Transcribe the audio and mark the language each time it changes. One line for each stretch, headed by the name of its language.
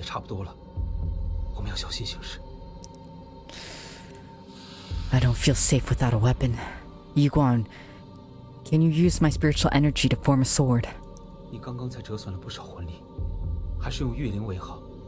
Chinese: 快到城门了，那道临时用来阻挡士兵的咒文，估计也溶解的差不多了。我们要小心行事。
English: I don't feel safe without a weapon, Yi Guang. Can you use my spiritual energy to form a sword?
Chinese: 你刚刚才折损了不少魂力，还是用御灵为好。